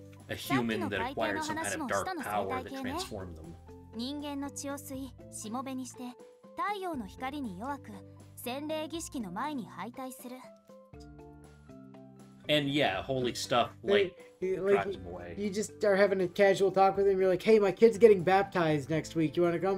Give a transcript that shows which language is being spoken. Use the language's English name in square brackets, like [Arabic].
[English] A human that acquired some kind of dark power that transformed them. [Japanese] 人間の血を吸い、しもべにして、太陽の光に弱く、洗礼儀式の前に敗退する。 [English] And yeah, holy stuff, like drives him away. You just start having a casual talk with him, you're like, hey, my kid's getting baptized next week, you want to come?